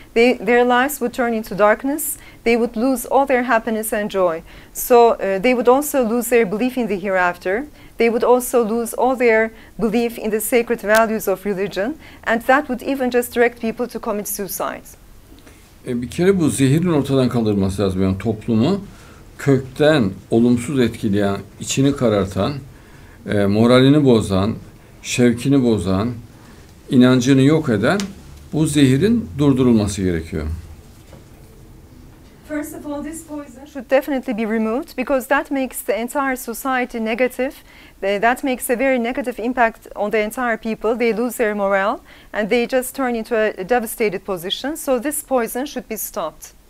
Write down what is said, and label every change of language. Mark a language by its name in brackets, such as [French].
[English] Their lives would turn into darkness. They would lose all their happiness and joy. So they would also lose their belief in the hereafter. They would also lose all their belief in the sacred values of religion, and that would even just direct people to commit suicide. [Turkish] Bir kere bu zehirin ortadan kaldırılması lazım. Yani toplumu kökten olumsuz etkileyen, içini karartan, moralini bozan, şevkini bozan, inancını yok eden bu zehirin durdurulması gerekiyor. [English] First of all, this poison should definitely be removed because that makes the entire society negative. That makes a very negative impact on the entire people. They lose their morale and they just turn into a devastated position. So this poison should be stopped.